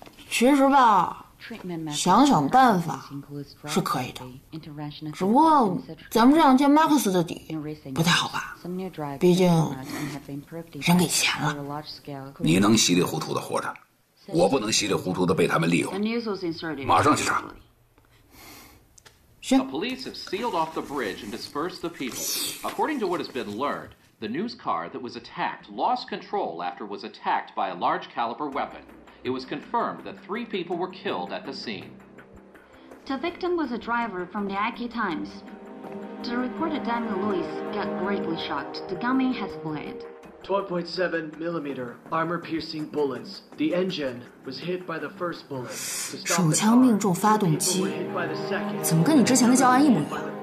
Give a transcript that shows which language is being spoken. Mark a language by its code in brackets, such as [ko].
[zh] 其实吧，想想办法是可以的，只不过咱们这两天马克思的底不太好吧，毕竟人给钱了。你能稀里糊涂的活着，我不能稀里糊涂的被他们利用。马上去查。行。 [en] The police have sealed off the bridge and dispersed the people. According to what has been learned, the news car that was attacked lost control after was attacked by a large caliber weapon. It was confirmed that three people were killed at the scene. The victim was a driver from the Aki Times. The reporter Daniel Lewis got greatly shocked. The gunman has fled. 12.7 millimeter armor-piercing bullets. The engine was hit by the first bullet. [zh] 手枪命中发动机，怎么跟你之前的教案一模一样？